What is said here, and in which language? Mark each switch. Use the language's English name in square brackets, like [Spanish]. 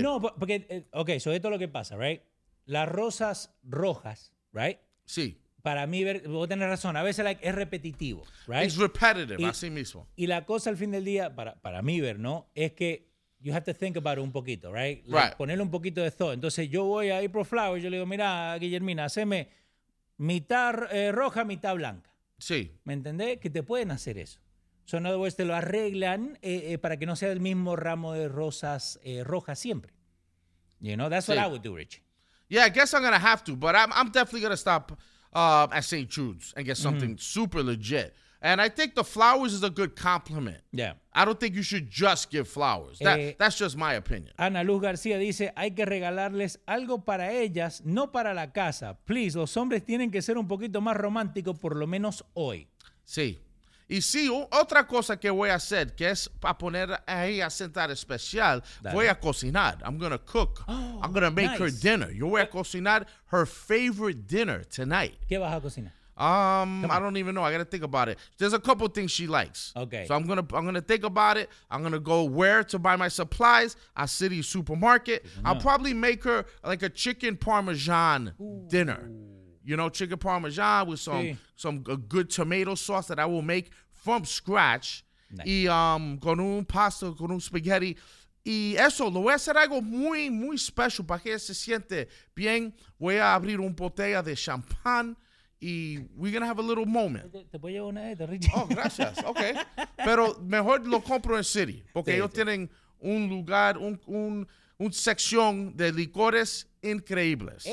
[Spanish] No, porque, ok, sobre todo lo que pasa, right? Las rosas rojas, right? Sí. Para mí, vos tenés razón, a veces like, es repetitivo, right? [English] It's repetitive, [Spanish] así mismo. Y la cosa al fin del día, para mí, ver, ¿no? Es que [English] you have to think about it [Spanish] un poquito, [English] right? Like, right. [Spanish] Ponerle un poquito de thought. Entonces yo voy a April Flowers, yo le digo, mira, Guillermina, haceme mitad roja, mitad blanca. Sí. ¿Me entendés? Que te pueden hacer eso. [English] So, in other words, [Spanish] te lo arreglan para que no sea el mismo ramo de rosas rojas siempre. [English] You know, that's what I would do, Richie. Yeah, I guess I'm going to have to, but I'm definitely going to stop... at St. Jude's and get something super legit. And I think the flowers is a good compliment. Yeah. I don't think you should just give flowers. That's just my opinion. [Spanish] Ana Luz García dice, hay que regalarles algo para ellas, no para la casa. Please, los hombres tienen que ser un poquito más románticos, por lo menos hoy. Sí. Y sí, otra cosa que voy a hacer, que es para poner a ella sentar especial, dale. Voy a cocinar. [English] I'm going to cook. Oh, I'm going to make Her dinner. [Spanish] Yo voy a cocinar [English] her favorite dinner tonight. [Spanish] ¿Qué vas a cocinar? [English] I don't even know. I got to think about it. There's a couple things she likes. Okay. So I'm gonna think about it. I'm going to go where to buy my supplies, a city supermarket. No. I'll probably make her like a chicken parmesan dinner. You know, chicken parmesan with some good tomato sauce that I will make from scratch. Nice. [Spanish] Y con un pasta, con un spaghetti. Y eso, lo voy a hacer algo muy, muy especial para que ella se siente bien. Voy a abrir un botella de champán y [English] we're going to have a little moment. [Spanish] Te voy a llevar una de Richie. Oh, gracias. Okay. Pero mejor lo compro en City porque ellos tienen un lugar, un sección de licores increíbles.